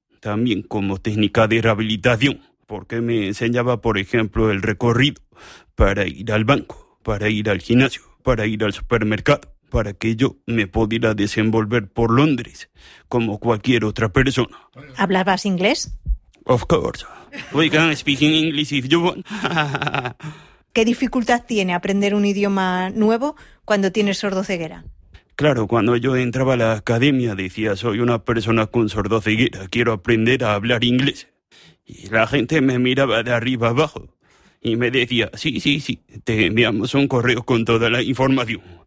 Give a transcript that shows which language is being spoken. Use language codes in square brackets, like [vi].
[es] También como técnica de rehabilitación, porque me enseñaba, por ejemplo, el recorrido para ir al banco, para ir al gimnasio, para ir al supermercado, para que yo me pudiera desenvolver por Londres como cualquier otra persona. ¿Hablabas inglés? [en] Of course. We can speak in English if you want. [es] ¿Qué dificultad tiene aprender un idioma nuevo cuando tienes sordoceguera? Claro, cuando yo entraba a la academia decía, soy una persona con sordoceguera, quiero aprender a hablar inglés. Y la gente me miraba de arriba abajo y me decía, sí, sí, sí, te enviamos un correo con toda la información.